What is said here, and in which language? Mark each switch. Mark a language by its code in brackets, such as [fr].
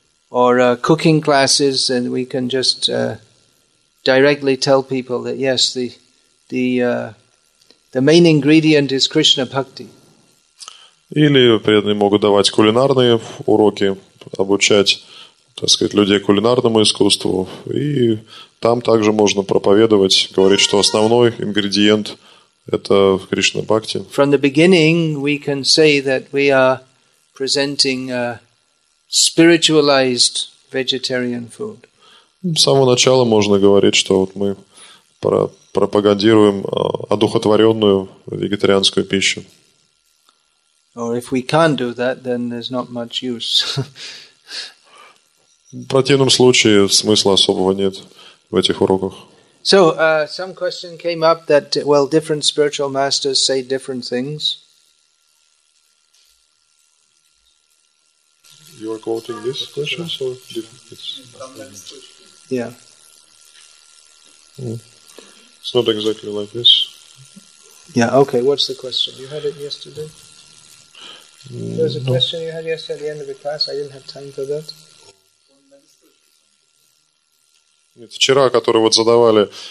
[en] Or cooking classes, and we can just directly tell people that yes, the main ingredient is Krishna bhakti. [ru] Или преданные могут давать кулинарные уроки, обучать, так сказать, людей кулинарному искусству. И там также можно проповедовать, говорить, что основной ингредиент – это Кришна Бхакти. [en] From the beginning, we can say that we are presenting a spiritualized vegetarian food. [ru] С самого начала можно говорить, что вот мы пропагандируем одухотворенную вегетарианскую пищу. [en] Or if we can't do that, then there's not much use. [ru] В противном случае смысла особого нет в этих уроках. [en] So, some question came up that, well, different spiritual masters say different things. You are quoting this question, so it's... Yeah. It's not exactly like this. Yeah, okay, what's the question? You had it yesterday? There was a question you had yesterday at the end of the class. I didn't have time for that. [ru] Нет, вчера, который вот задавали...